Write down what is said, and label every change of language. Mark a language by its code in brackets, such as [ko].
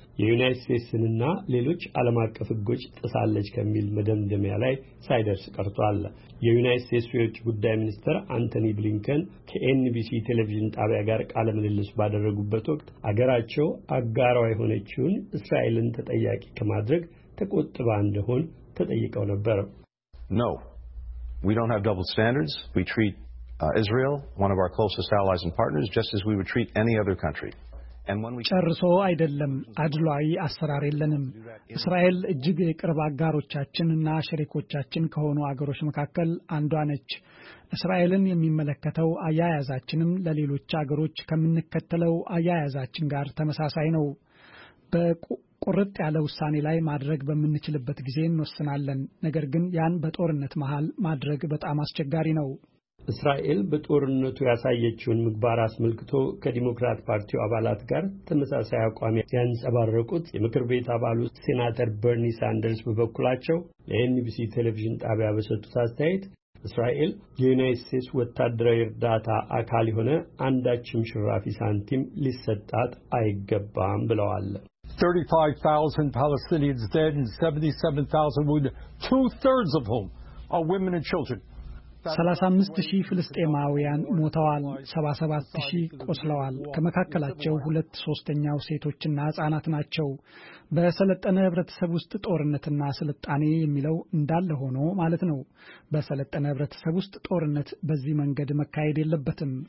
[am] የዩናይትድ ስቴትስንና ሌሎች ዓለም አቀፍ ሕጎች ጥሳለች ከሚል መደምደሚያ ላይ ሳይደርስ ቀርቷል። የዩናይትድ ስቴትስ የውጭ ጉዳይ ሚኒስትር አንቶኒ ብሊንከን ከኤንቢሲ ቴሌቪዥን ጣቢያ ጋር ቃለ ምልልስ ባደረጉበት ወቅት አገራቸው አጋሯ የሆነችውን እስራኤልን ተጠያቂ ከማድረግ ተቆጥባ እንደሆን ተጠይቀው ነበር። [en] No, we don't have double standards. We treat Israel, one of our closest allies and partners, just as we would treat any other country. [am] ጨርሶ አይደለም፣ አድሏዊ አሰራር የለንም። እስራኤል እጅግ የቅርብ አጋሮቻችንና ሸሪኮቻችን ከሆኑ አገሮች መካከል አንዷ ነች። እስራኤልን የሚመለከተው አያያዛችንም ለሌሎች አገሮች ከምንከተለው አያያዛችን ጋር ተመሳሳይ ነው። በቁርጥ ያለ ውሳኔ ላይ ማድረግ በሚንችልበት ጊዜ እንወስናለን። ነገር ግን ያን በጦርነት መሃል ማድረግ በጣም አስቸጋሪ ነው። እስራኤል በጦርነቱ ያሳየችውን ምግባር አስመልክቶ ከዲሞክራት ፓርቲው አባላት ጋር ተመሳሳይ አቋም ያንጸባረቁት የምክር ቤት አባሉ ሴናተር በርኒ ሳንደርስ በበኩላቸው ለኤንቢሲ ቴሌቪዥን ጣቢያ በሰጡት አስተያየት እስራኤል የዩናይትድ ስቴትስ ወታደራዊ እርዳታ አካል የሆነ አንዳችም ሽራፊ ሳንቲም ሊሰጣት አይገባም ብለዋል። [en] 35,000 Palestinians dead and 77,000 wounded, two-thirds of whom are women and children. [am] 35000 ፍልስጤማውያን ሞተዋል፣ 77000 ቆስለዋል። ከመካከላቸው 2/3ኛው ሴቶችና ህጻናት ናቸው። በሰለጠነ ህብረተሰብ ውስጥ ጦርነትና ስልጣኔ የሚለው እንዳለ ሆኖ ማለት ነው። በሰለጠነ ህብረተሰብ ውስጥ ጦርነት በዚህ መንገድ መካሄድ የለበትም።